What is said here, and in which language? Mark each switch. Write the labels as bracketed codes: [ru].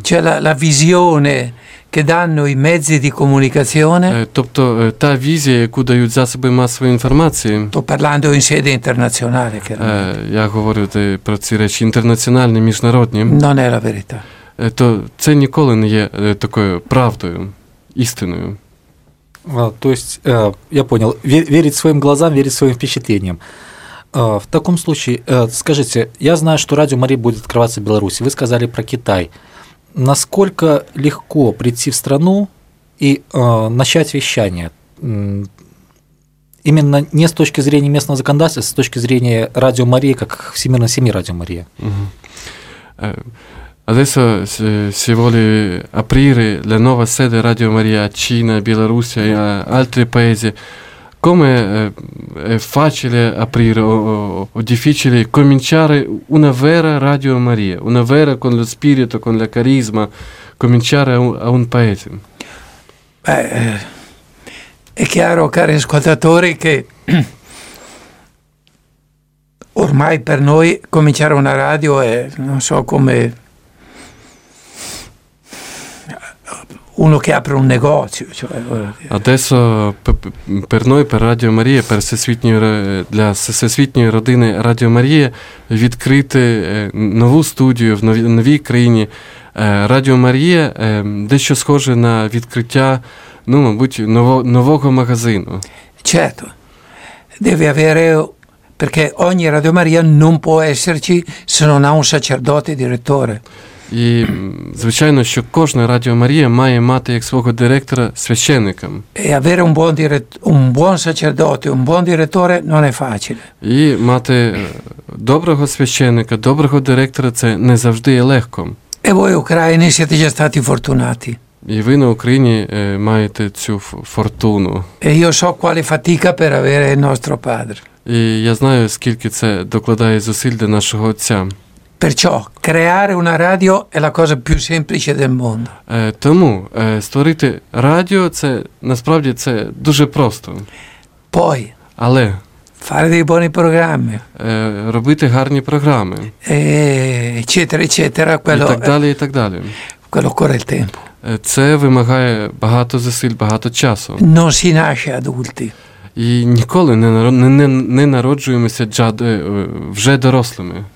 [it] C'è la visione che danno i mezzi di comunicazione. [uk] Тобто та візія, яку дають засоби масової інформації. [it] Sto parlando in sede internazionale, chiaramente. [uk] Я говорю про ці речі інтернаціональні, міжнародні. [it] Non è la verità. [uk] То це ніколи не є такою правдою, істиною. [ru] То есть, я понял, верить своим глазам, верить своим впечатлениям. В таком случае, скажите, я знаю, что Радио Мария будет открываться в Беларуси. Вы сказали про Китай. Насколько легко прийти в страну и начать вещание? Именно не с точки зрения местного законодательства, а с точки зрения Радио Марии, как всемирной семьи Радио Мария. [it] Adesso si vuole aprire la nuova sede Radio Maria a Cina, Bielorussia e altri paesi. Come è facile aprire o difficile cominciare una vera Radio Maria, una vera con lo spirito, con la carisma, cominciare a un paese? Beh, è chiaro, cari ascoltatori, che ormai per noi cominciare una radio è, non so come... uno che apre un negozio, cioè... Adesso per noi, per Radio Maria, per [uk] для всесвітньої родини Радіо Марія відкрити нову студію в новій країні. Радіо Марія дещо схоже на відкриття, ну, мабуть, нового магазину. [it] Certo. Deve avere, perché ogni Radio Maria non può esserci se non ha un sacerdote direttore. [uk] І, звичайно, що кожна Радіо Марія має мати як свого директора священником. [it] E avere un buon sacerdote, un buon direttore non è facile. [uk] І мати доброго священника, доброго директора – це не завжди є легко. [it] E voi ucraini siete già stati fortunati. [uk] І ви на Україні маєте цю фортуну. [it] E io so quale fatica per avere il nostro padre. [uk] І я знаю, скільки це докладає зусиль для нашого отця. [it] Perciò creare una radio è la cosa più semplice del mondo. [uk] Тому створити радіо це насправді це дуже просто. [it] Poi. [uk] Але. [it] Fare dei buoni programmi. [uk] Робити гарні програми. [it] Eccetera, eccetera, quello. [uk] І так далі, і так далі. [it] Quello occorre il tempo. [uk] Це вимагає багато зусиль, багато часу. [it] Non si nasce adulti. [uk] І ніколи не народжуємося вже дорослими.